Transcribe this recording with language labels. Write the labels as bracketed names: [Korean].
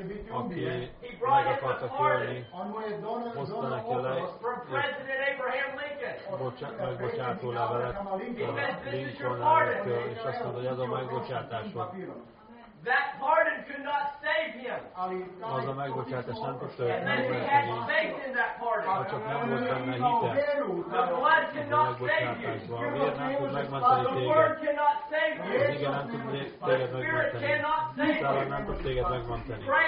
[Hungarian] Aki meg akarta kérni, hozta neki le [English] from President Abraham Lincoln. [Hungarian] Megbocsátó levelet Lincoln elnöktől, és azt mondta, hogy ez a megbocsátás van. [English] That pardon could not save him. [Hungarian] Az a megbocsátás nem tudta őt megmenteni. Ha csak nem volt benne hite. [English] The blood cannot save you. [Hungarian] Miért nem tud megmenteni téged? Az ige nem tud téged megmenteni. Szellem nem tud téged megmenteni.